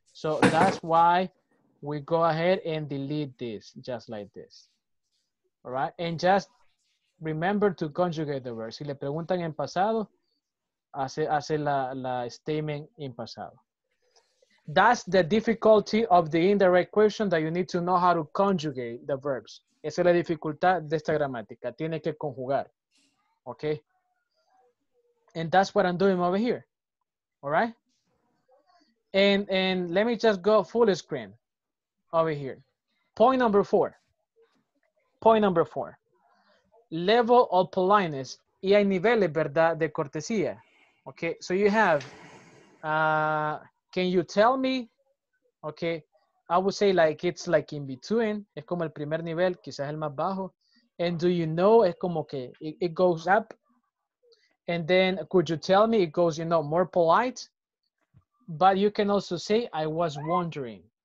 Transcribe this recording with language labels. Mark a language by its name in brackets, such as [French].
[English] So, that's why we go ahead and delete this, just like this. All right? And just remember to conjugate the verb. [Spanish] Si le preguntan en pasado, hace la statement en pasado. [English] That's the difficulty of the indirect question, that you need to know how to conjugate the verbs. [Spanish] Esa es la dificultad de esta gramática. Tiene que conjugar. Okay? [English] And that's what I'm doing over here. All right? And let me just go full screen over here. Point number four. Level of politeness. [Spanish] Y hay niveles, ¿verdad? De cortesía. Okay. [English] So you have, can you tell me? Okay. I would say like it's like in between. [Spanish] Es como el primer nivel, quizás el más bajo. [English] And do you know, [Spanish] es como que [English] it goes up. And then could you tell me, it goes, you know, more polite. But you can also say, I was wondering.